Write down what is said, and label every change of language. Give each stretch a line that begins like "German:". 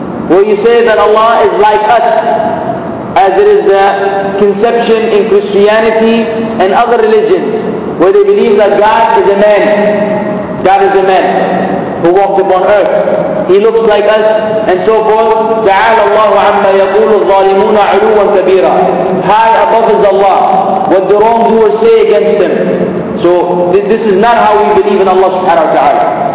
English: Where you say that Allah is like us, as it is the conception in Christianity and other religions, where they believe that God is a man. God is a man who walks upon earth. He looks like us, and so forth.
Arabic: تَعَالَ اللَّهُ عَمَّا يَقُولُ الظَّالِمُونَ عُلُوًا كَبِيرًا.
English: High above is Allah. What the wrongdoers say against Him. So this is not how we believe in Allah subhanahu wa ta'ala.